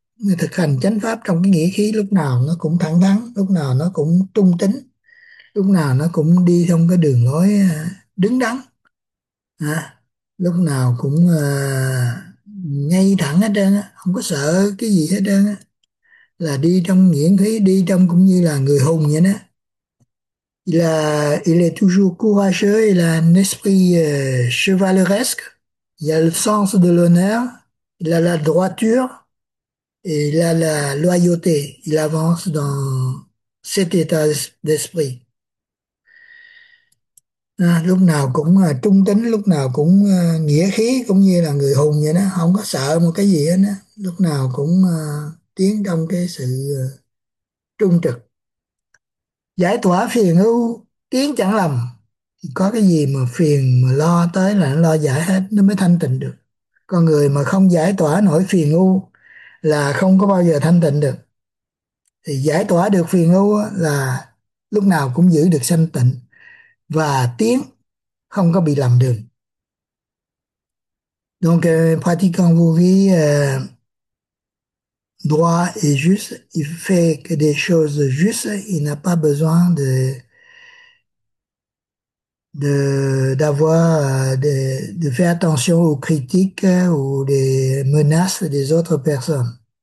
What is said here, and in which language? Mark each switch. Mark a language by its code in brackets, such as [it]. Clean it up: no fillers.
[vi] Người thực hành chánh pháp trong cái nghĩa khí, lúc nào nó cũng thẳng thắn, lúc nào nó cũng trung tín, lúc nào nó cũng đi trong cái đường lối đứng đắn, lúc nào cũng ngay thẳng hết trơn á, không có sợ cái gì hết trơn á, là đi trong nghĩa khí, đi trong cũng như là người hùng vậy đó. [fr] Il est toujours courageux, il a un esprit chevaleresque, il a le sens de l'honneur, il a la droiture et il a la loyauté. Il avance dans cet état d'esprit. [vi] Lúc nào cũng trung tín, lúc nào cũng nghĩa khí, cũng như là người hùng vậy đó, không có sợ một cái gì hết đó. Lúc nào cũng tiến trong cái sự trung trực. Giải tỏa phiền ưu, tiến chẳng lầm. Có cái gì mà phiền mà lo tới là nó lo giải hết, nó mới thanh tịnh được. Con người mà không giải tỏa nổi phiền ưu là không có bao giờ thanh tịnh được. Thì giải tỏa được phiền ưu là lúc nào cũng giữ được sanh tịnh và tiến, không có bị lầm đường. [fr] Donc, pratiquant vos vies droit et juste, il fait que des choses justes, il n'a pas besoin de de faire attention aux critiques ou des menaces des autres personnes.